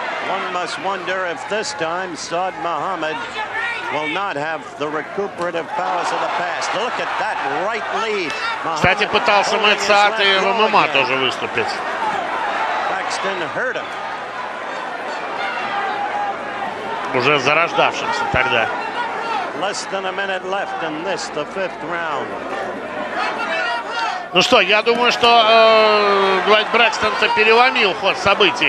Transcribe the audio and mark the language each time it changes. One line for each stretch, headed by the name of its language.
English: One must wonder if this time Saad Mohammed will not have the recuperative powers of the past. Look at that right lead.
Russian: Кстати, пытался Мэтт Саад и в ММА тоже выступить.
English: Braxton hurt him.
Russian: Уже зарождавшимся тогда.
English: Less than a minute left in this, the fifth round.
Russian: Ну что, я думаю, что Дуайт Брэкстон-то переломил ход событий.